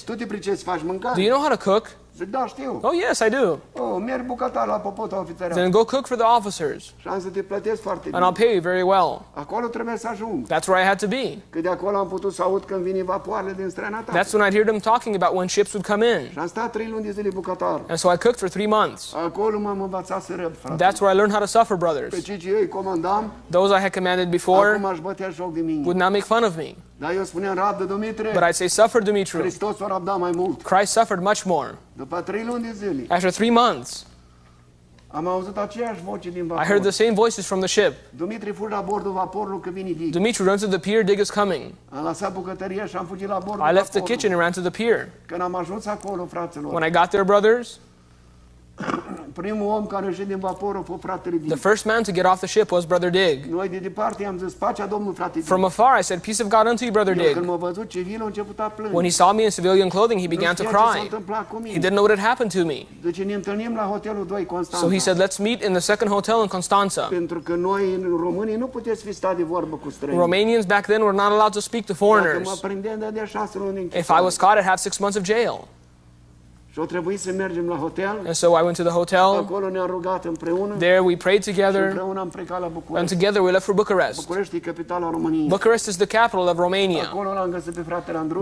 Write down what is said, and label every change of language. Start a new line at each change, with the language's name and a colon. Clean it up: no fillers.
Romanian: Tu te pricepi să faci mâncare?
English: Do you know how to cook?
Romanian: Da, știu.
English: Oh, yes, I do.
Romanian: Oh, merg bucătar la popota ofițerească.
English: Then go cook for the officers.
Romanian: Și am să te plătesc foarte bine.
English: And I'll pay you very well.
Romanian: Acolo trebuie să ajung.
English: That's where I had to be.
Romanian: Că de acolo am putut să aud când vine vapoarele din străinătate.
English: That's when I'd hear them talking about when ships would come in.
Romanian: Și am stat 3 luni de zile bucătar.
English: And so I cooked for 3 months.
Romanian: Acolo m-am învățat să răb, frate.
English: That's where I learned how to suffer, brothers.
Romanian: Pe cei ce comandam.
English: Those I had commanded before.
Romanian: Acum aș bătea joc de mine.
English: Would not make fun of me.
Romanian: Dar eu spuneam, rabdă, Dumitru.
English: But I'd say, suffer, Dumitru.
Romanian: Hristos a răbdat mai mult.
English: Christ suffered much more.
Romanian: După 3 luni de zile.
English: After 3 months.
Romanian: Am auzit aceeași voce din vapor.
English: I heard the same voices from the ship.
Romanian: Dumitru, fugi la bordul vaporului că vine dig.
English: Dumitru, run to the pier, dig is coming.
Romanian: Am lăsat bucătăria și am fugit la bordul vaporului.
English: I left the kitchen and ran to the pier.
Romanian: Când am ajuns acolo, fraților.
English: When I got there, brothers.
Romanian: Primul om care ieșit din vapor a fost fratele Dig.
English: The first man to get off the ship was brother Dig.
Romanian: Noi de departe am zis, pacea Domnului, frate Dig.
English: From afar I said, peace of God unto you, brother Dig.
Romanian: Când m-a văzut civil, a început a plânge.
English: When he saw me in civilian clothing, he began to cry. He didn't know what had happened to me.
Romanian: Deci ne întâlnim la hotelul 2 Constanța.
English: So he said, let's meet in the second hotel in Constanța.
Romanian: Pentru că noi în România nu puteți fi stat de vorbă cu străini.
English: Romanians back then were not allowed to speak to foreigners.
Romanian: Dacă mă prindeam, dădea 6 luni închisoare.
English: If I was caught, I'd have 6 months of jail.
Romanian: Și a trebuit să mergem la hotel.
English: And so I went to the hotel.
Romanian: Acolo ne-am rugat împreună.
English: There we prayed together.
Romanian: Și împreună am plecat la București.
English: And together we left for Bucharest.
Romanian: București e capitala României.
English: Bucharest is the capital of Romania.
Romanian: Acolo l-am găsit pe fratele Andruș.